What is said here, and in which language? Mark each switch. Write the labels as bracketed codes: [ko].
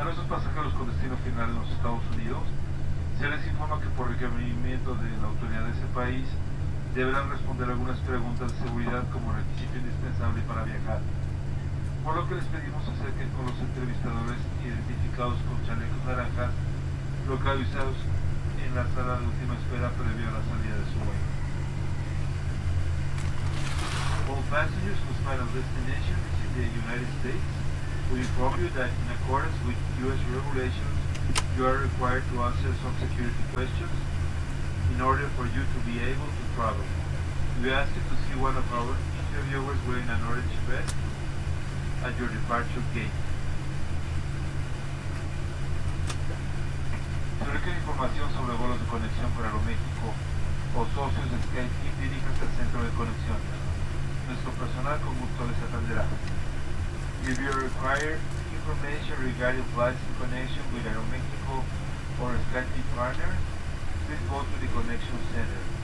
[es] Pasajeros con destino final en los Estados Unidos, se les informa que por requerimiento de la autoridad de ese país deberán responder algunas preguntas de seguridad como requisito indispensable para viajar, por lo que les pedimos acerquen con los entrevistadores identificados con chalecos naranjas localizados en la sala de última espera previo a la salida de su vuelo. [en] All passengers whose final destination is in the United States, we inform you that in accordance with U.S. regulations, you are required to answer some security questions in order for you to be able to travel. We ask you to see one of our interviewers wearing an orange vest at your departure gate. [es] Si requiere información sobre vuelos de conexión para Aeroméxico o socios de SkyTeam, diríjase al centro de conexión. Nuestro personal con gusto les atenderá. [en] If you require information regarding flights in connection with Aeromexico or a SkyTeam partner, please go to the connection center.